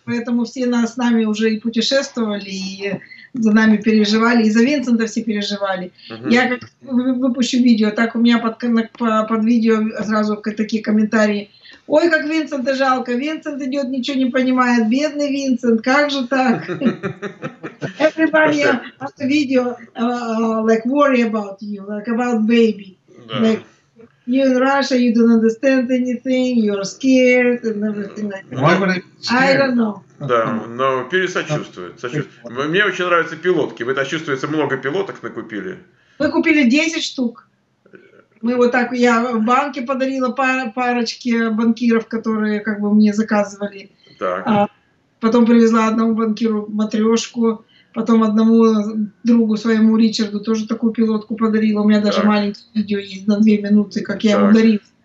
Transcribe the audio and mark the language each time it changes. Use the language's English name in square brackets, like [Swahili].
[Russian] Поэтому все с нами уже и путешествовали, и за нами переживали, и за Винсента все переживали. Я как выпущу видео, так у меня под видео сразу такие комментарии. Ой, как Винсента жалко, Винсент идет, ничего не понимает, бедный Винсент, как же так? [English] Everybody has a video like worry about you, like about baby. You in Russia, you don't understand anything, you're scared and everything like that. Why would I be scared? I don't know. [Russian] Да, но пересочувствует. Мне очень нравятся пилотки. Вы-то, чувствуется, много пилоток накупили. Мы купили 10 штук. Мы вот так, я в банке подарила парочке банкиров, которые как бы мне заказывали. Так. Потом привезла одному банкиру матрешку. Потом одному другу своему Ричарду тоже такую пилотку подарила. У меня даже маленькое видео есть на 2 минуты, как я его дарил.